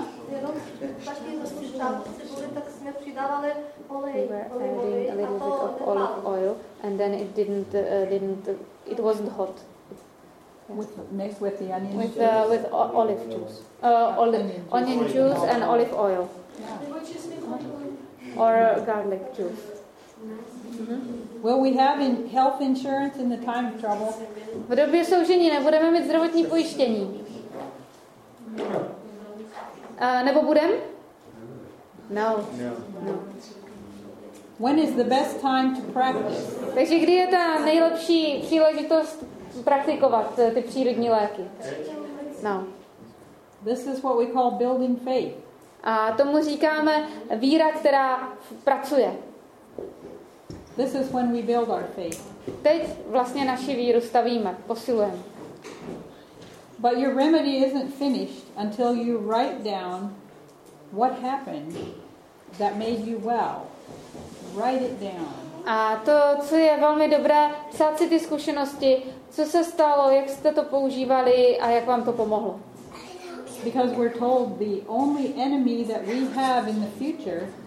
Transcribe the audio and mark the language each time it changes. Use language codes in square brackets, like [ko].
[cs] Jenom špatně zase štát cibuli, tak si nepřidávali olej [en] we were adding a little bit of olive oil, and then it it wasn't hot. Mixed with the onion with juice. Olive juice and olive oil. Yeah. Or garlic juice. Mm-hmm. Will we have in health insurance in the time of trouble? [cs] V době soužení nebudeme mít zdravotní pojištění. Nebo budem? [en] No. No. When is the best time to practice? [cs] Takže kdy je ta nejlepší příležitost praktikovat ty přírodní léky? No. [en] This is what we call building faith. [cs] A tomu říkáme víra, která pracuje. [en] This is when we build our faith. [cs] Teď vlastně naši víru stavíme, posilujeme. [en] But your remedy isn't finished until you write down what happened that made you well. Write it down. [cs] A to, co je velmi dobré, psát si ty zkušenosti, co se stalo, jak jste to používali a jak vám to pomohlo. [en] Because we're told the only enemy that we have in the future.